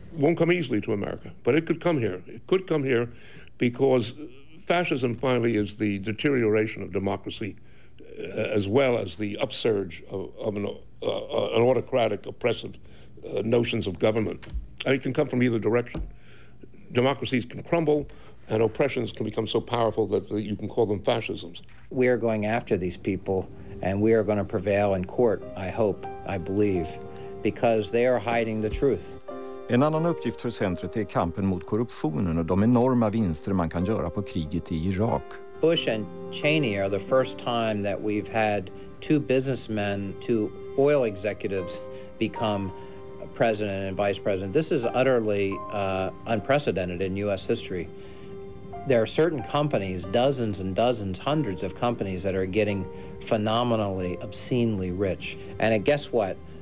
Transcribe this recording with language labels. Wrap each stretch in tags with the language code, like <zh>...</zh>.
<en>Won't come easily to America, but it could come here. It could come here because fascism finally is the deterioration of democracy, as well as the upsurge of an autocratic, oppressive notions of government. And it can come from either direction. Democracies can crumble, and oppressions can become so powerful that you can call them fascisms. We are going after these people, and we are going to prevail in court, I hope, I believe, because they are hiding the truth.</en> <sv>En annan uppgift för centret är kampen mot korruptionen och de enorma vinster man kan göra på kriget i Irak.</sv> <en>Bush and Cheney are the first time that we've had two businessmen, two oil executives, become president and vice president. This is utterly unprecedented in U.S. history. There are certain companies, dozens and dozens, hundreds of companies that are getting phenomenally, obscenely rich. And guess what?</en>